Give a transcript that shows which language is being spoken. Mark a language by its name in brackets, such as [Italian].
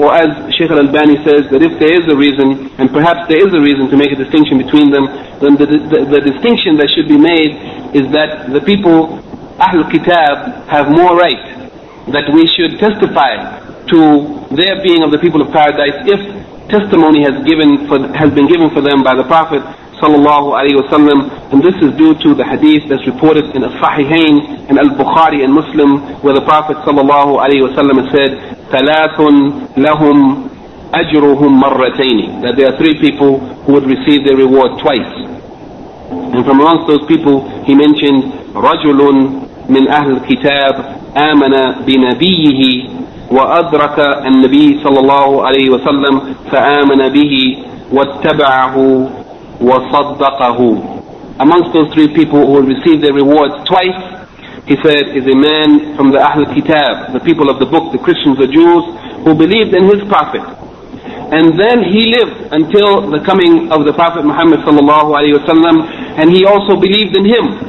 [English] Or as Shaykh al-Albani says, that if there is a reason, and perhaps there is a reason to make a distinction between them, then the distinction that should be made is that the people, Ahlul Kitab, have more right, that we should testify to their being of the people of paradise if testimony has been given for them by the Prophet sallallahu alayhi wa sallam. And this is due to the hadith that's reported in As-Sahihain and Al-Bukhari and Muslim, where the Prophet sallallahu alayhi wa sallam said, [Arabic] ثَلَاثٌ لَهُمْ أَجْرُهُمْ مَرَّتَيْنِ, [English] that there are three people who would receive their reward twice. [Arabic] And from amongst those people, he mentioned, رَجُلٌ مِنْ أَهْلِ الْكِتَابِ آمَنَ بِنَبِيِّهِ وَأَدْرَكَ النَّبِيِّ صَلَّى اللَّهُ عَلَيْهِ وَسَلَّمْ فَآمَنَ بِهِ وَاتَّبَعَهُ وَصَدَّقَهُ. [English] Amongst those three people who will receive their rewards twice, he said, is a man from the Ahl Kitab, the people of the book, the Christians, the Jews, who believed in his Prophet. And then he lived until the coming of the Prophet Muhammad sallallahu alayhi wasallam, and he also believed in him.